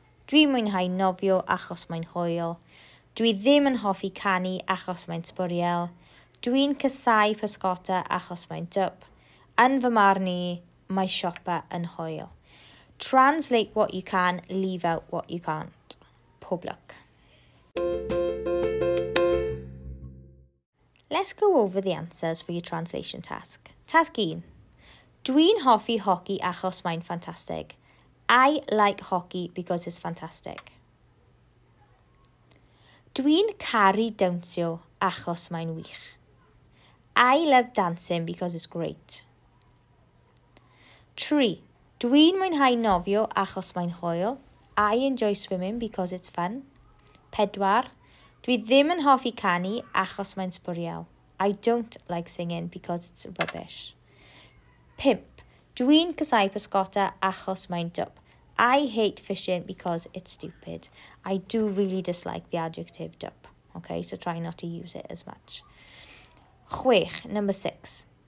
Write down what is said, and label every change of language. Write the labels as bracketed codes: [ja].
[cy] Dwi'n mwynhau nofio achos mae'n hwyl. Dwi ddim yn hoffi canu achos mae'n sbwriel. Dwi'n casau pysgota achos mae'n dwp. Yn fy marn i, mae siopa yn hwyl. [en] Translate what you can, leave out what you can't. Public. Let's go over the answers for your translation task. Task 1. [cy] Dwi'n hoffi hockey achos mae'n fantastic. [en] I like hockey because it's fantastic. [cy] Dwi'n caru dawnsio achos mae'n wych. [en] I love dancing because it's great. [cy] 3. Dwi'n mwynhau nofio achos mae'n hwyl. [en] I enjoy swimming because it's fun. [cy] Pedwar, dwi ddim yn hoffi canu achos mae'n sbwriel. [en] I don't like singing because it's rubbish. Pimp, [cy] dwi'n casáu pysgota achos mae'n dwp. [en] I hate fishing because it's stupid. I do really dislike the adjective dwp. Okay, so try not to use it as much. Chwech, number six.